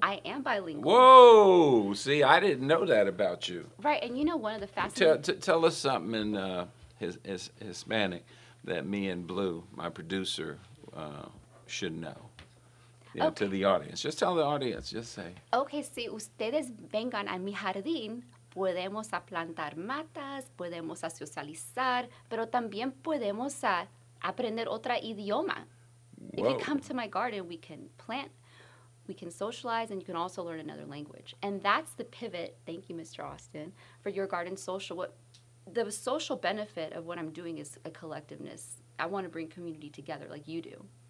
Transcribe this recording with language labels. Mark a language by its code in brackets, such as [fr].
[en] I am bilingual. Whoa. See, I didn't know that about you. Right. And you know, one of the fascinating... Tell us something in Hispanic that me and Blue, my producer... should know, yeah, okay. To the audience. Just tell the audience, just say. [es] Okay, si ustedes vengan a mi jardín, podemos a plantar matas, podemos a socializar, pero también podemos a aprender otra idioma. [en] Whoa. If you come to my garden, we can plant, we can socialize, and you can also learn another language. And that's the pivot, thank you, Mr. Austin, for Your Garden Social. The social benefit of what I'm doing is a collectiveness. I want to bring community together like you do.